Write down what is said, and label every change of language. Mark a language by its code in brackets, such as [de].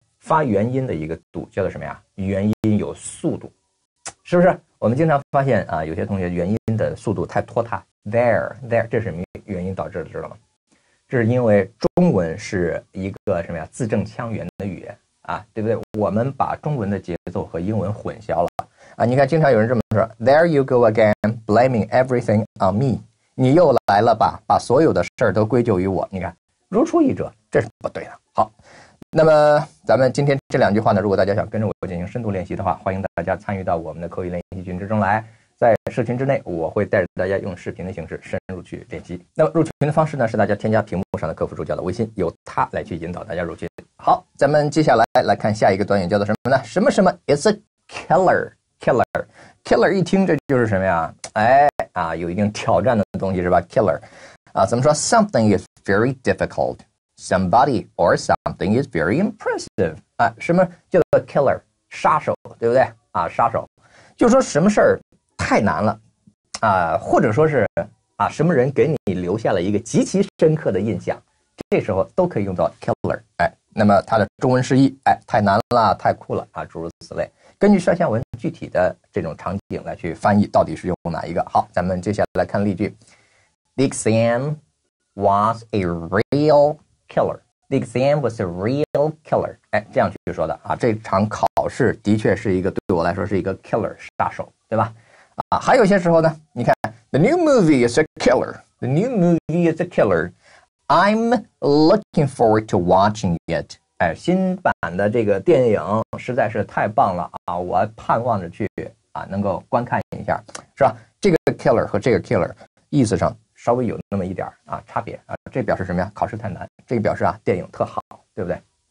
[zh] 发元音的一个度叫做什么呀？元音有速度，是不是？我们经常发现啊，有些同学元音的速度太拖沓 ，there， 这是什么原因导致的，知道吗？这是因为中文是一个什么呀？字正腔圆的语言。啊，对不对？我们把中文的节奏和英文混淆了啊！你看，经常有人这么说 [en] ：“There you go again, blaming everything on me。” [zh] 你又来了吧？把所有的事儿都归咎于我。你看，如出一辙，这是不对的。好，那么咱们今天这两句话呢，如果大家想跟着我进行深度练习的话，欢迎大家参与到我们的口语练习群之中来。在社群之内，我会带着大家用视频的形式深入去练习。那么入群的方式呢，是大家添加屏幕上的客服助教的微信，由他来去引导大家入群。好，咱们接下来来看下一个短语，叫做什么呢？什么什么 [en] ？It's a killer, killer, killer。 [zh] 一听这就是什么呀？哎啊，有一定挑战的东西是吧 ？Killer， 啊，怎么说 ？ [en] Something is very difficult. Somebody or something is very impressive. [zh] 啊，什么叫做 killer？ 杀手，对不对？啊，杀手，就说什么事儿太难了啊，或者说是啊，什么人给你留下了一个极其深刻的印象，这时候都可以用到 killer。哎，那么它的中文释义，哎，太难了，太酷了啊，诸如此类。根据上下文具体的这种场景来去翻译，到底是用哪一个？好，咱们接下来看例句。 [en] The exam was a real killer. The exam was a real killer. [zh] 哎，这样去说的啊，这场考试的确是一个对我来说是一个 killer 杀手，对吧？啊，还有些时候呢，你看 [en] ，the new movie is a killer. The new movie is a killer. I'm looking forward to watching it. [zh] 哎，新版的这个电影实在是太棒了啊！我盼望着去啊，能够观看一下，是吧？这个 killer 和这个 killer 意思上稍微有那么一点啊差别啊，这表示什么呀？考试太难，这个表示啊电影特好，对不对？